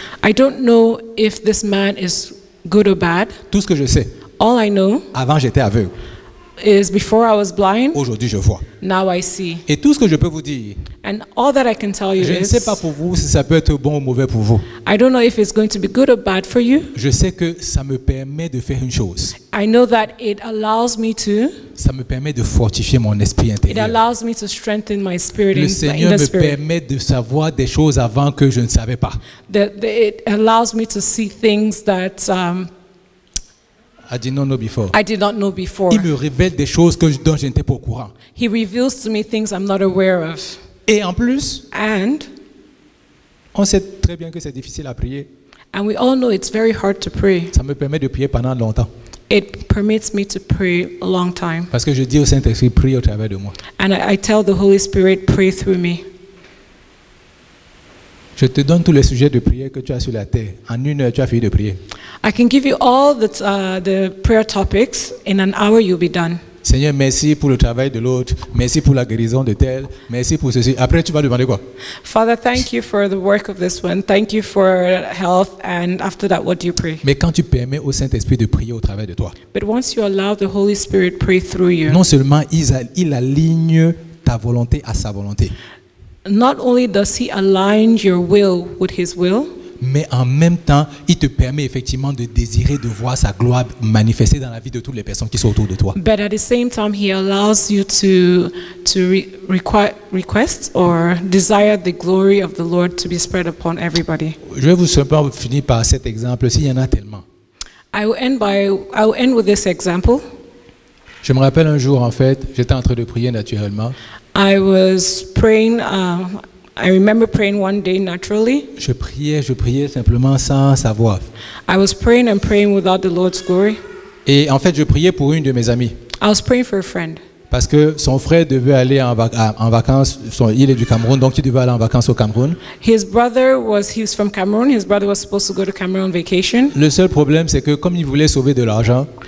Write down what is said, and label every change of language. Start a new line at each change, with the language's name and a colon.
English: I don't know if this man is good or bad.
French: Tout ce que je sais.
English: All I know.
French: Avant j'étais aveugle.
English: Is before I was blind.
French: Aujourd'hui je vois.
English: Now I see.
French: Et tout ce que je peux vous dire.
English: And all that I can tell you
French: je
English: is.
French: Je ne sais pas pour vous si ça peut être bon ou mauvais pour vous.
English: I don't know if it's going to be good or bad for you.
French: Je sais que ça me permet de faire une chose.
English: I know that it allows me to.
French: Ça me permet de fortifier mon esprit intérieur.
English: It allows me to strengthen my spirit in the spirit.
French: Le Seigneur me permet de savoir des choses avant que je ne savais pas.
English: It allows me to see things that I did not know before. I did not know before.
French: Il me révèle des choses que dont je n'étais pas au courant.
English: He reveals to me things I'm not aware of.
French: Et en plus,
English: and
French: on sait très bien que c'est difficile à prier.
English: And we all know it's very hard to pray.
French: Ça me permet de prier pendant longtemps.
English: It permits me to pray a long time.
French: Parce que je dis au Saint-Esprit, prie au travers de moi.
English: And I tell the Holy Spirit, pray through me.
French: Je te donne tous les sujets de prière que tu as sur la terre. En une heure, tu as fini de prier.
English: I can give you all the prayer topics. In an hour, you'll be done.
French: Seigneur, merci pour le travail de l'autre. Merci pour la guérison de tel. Merci pour ceci. Après, tu vas demander quoi?
English: Father, thank you for the work of this one. Thank you for health. And after that, what do you pray?
French: Mais quand tu permets au Saint-Esprit de prier au travers de toi.
English: But once you allow the Holy Spirit pray through you.
French: Non seulement il aligne ta volonté à sa volonté.
English: Not only does he align your will with his will,
French: mais en même temps, il te permet effectivement de désirer de voir sa gloire manifestée dans la vie de toutes les personnes qui sont autour de toi.
English: But at the same time, he allows you to request or desire the glory of the Lord to be spread upon everybody.
French: Je vais vous simplement finir par cet exemple, s'il y en a tellement.
English: I will end with this example.
French: Je me rappelle un jour, en fait, j'étais en train de prier naturellement.
English: I was praying. I remember praying one day naturally.
French: Je priais simplement sans savoir.
English: I was praying and praying without the Lord's glory.
French: Et en fait, je priais pour une de mes amies.
English: I was praying for a friend.
French: Parce que son frère devait aller en vacances. Il est du Cameroun, donc il devait aller en vacances au Cameroun.
English: He was from Cameroon. His brother was supposed to go to Cameroon on vacation.
French: Le seul problème, c'est que comme il voulait sauver de l'argent.